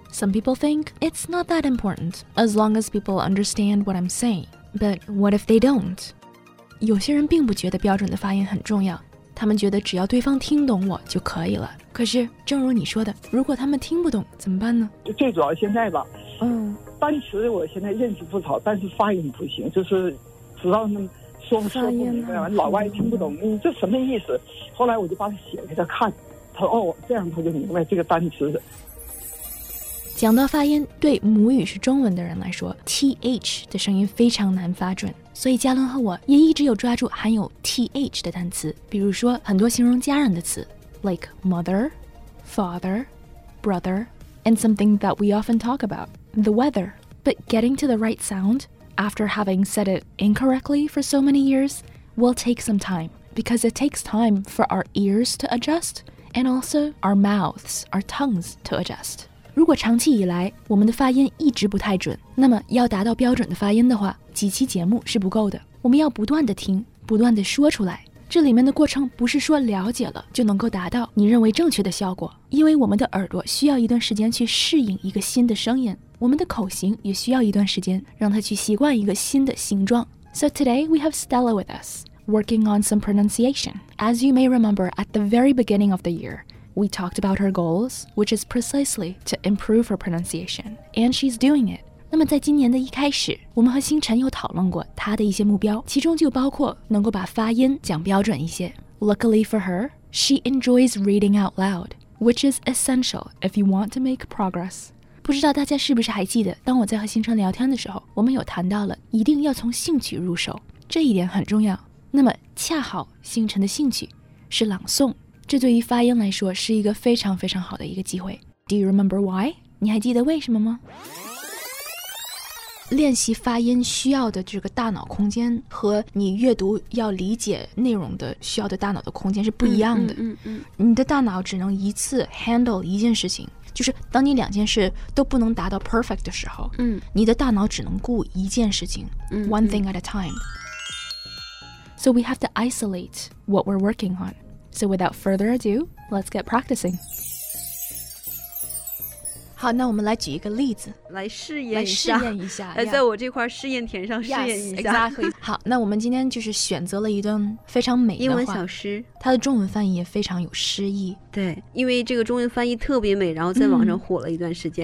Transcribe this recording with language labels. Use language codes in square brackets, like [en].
[en] Some people think it's not that important, as long as people understand what I'm saying. But what if they don't? [zh] 有些人并不觉得标准的发音很重要，他们觉得只要对方听懂我就可以了。可是，正如你说的，如果他们听不懂，怎么办呢？最主要现在吧，单词我现在认识不少，但是发音不行，就是知道他们说不出来，老外听不懂，这什么意思？后来我就把它写给他看，他说哦，这样他就明白这个单词的。讲到发音，对母语是中文的人来说 TH 的声音非常难发准，所以嘉伦和我也一直有抓住含有 TH 的单词，比如说很多形容家人的词 [en] like mother, father, brother, and something that we often talk about, the weather. But getting to the right sound, after having said it incorrectly for so many years, will take some time, because it takes time for our ears to adjust, and also our mouths, our tongues to adjust. [zh] 如果长期以来我们的发音一直不太准，那么要达到标准的发音的话，几期节目是不够的。我们要不断地听，不断地说出来。这里面的过程不是说了解了就能够达到你认为正确的效果，因为我们的耳朵需要一段时间去适应一个新的声音，我们的口型也需要一段时间让它去习惯一个新的形状。 [en] So today we have Stella with us, working on some pronunciation. As you may remember, at the very beginning of the year,We talked about her goals, which is precisely to improve her pronunciation. And she's doing it. [zh] 那么在今年的一开始，我们和星辰有讨论过她的一些目标，其中就包括能够把发音讲标准一些。 [en] Luckily for her, she enjoys reading out loud, which is essential if you want to make progress. [zh] 不知道大家是不是还记得，当我在和星辰聊天的时候，我们有谈到了一定要从兴趣入手，这一点很重要。那么恰好星辰的兴趣是朗诵。这对于发音来说是一个非常非常好的一个机会。 [en] Do you remember why? [zh] 你还记得为什么吗？练习发音需要的这个大脑空间和你阅读要理解内容的需要的大脑的空间是不一样的。你的大脑只能一次 handle 一件事情，就是当你两件事都不能达到 perfect 的时候，你的大脑只能顾一件事情 [en] one thing at a time. So we have to isolate what we're working on. So without further ado, let's get practicing. [zh] 好，那我们来举一个例子，来试验一下，来试验一下，来在我这块试验田上试验一下。 [en] Yes, exactly. [zh] 好，那我们今天就是选择了一段非常美的英文小诗，它的中文翻译也非常有诗意。对，因为这个中文翻译特别美，然后在网上火了一段时间，